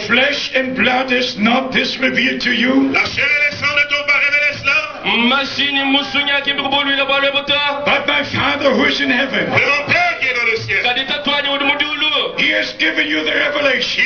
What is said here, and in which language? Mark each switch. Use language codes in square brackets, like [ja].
[en] flesh and blood is not this revealed to you. [fr] La chair et le sang ne t'ont pas révélé cela. [en] But my Father who is in heaven, he has given you the revelation.